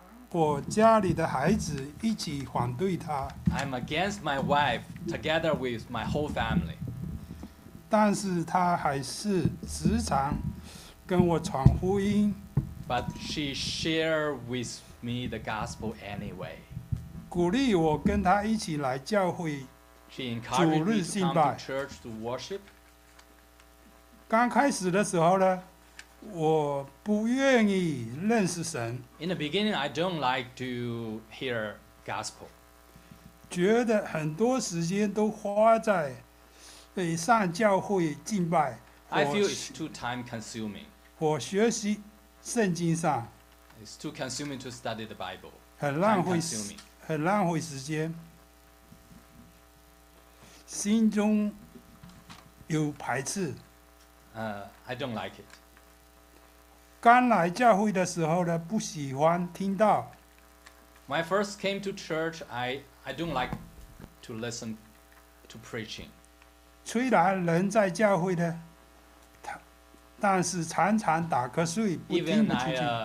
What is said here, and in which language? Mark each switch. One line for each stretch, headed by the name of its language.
Chinese: 我家里的孩子一起反对他。
English: I'm against my wife, together with my whole family.
Chinese: 但是他还是时常跟我传福音。
English: But she shared with me the gospel anyway.
Chinese: 鼓励我跟他一起来教会。
English: She encouraged me to come to church to worship.
Chinese: 刚开始的时候呢？我不愿意认识神。
English: In the beginning, I don't like to hear gospel.
Chinese: 觉得很多时间都花在北上教会敬拜。
English: I feel it's too time consuming.
Chinese: 我学习圣经上。
English: It's too consuming to study the Bible.
Chinese: 很浪费时间。心中有排斥。
English: I don't like it.
Chinese: 刚来教会的时候呢，不喜欢听到。
English: When I first came to church, I don't like to listen to preaching.
Chinese: 虽然人在教会呢，但是常常打瞌睡，不听不进去。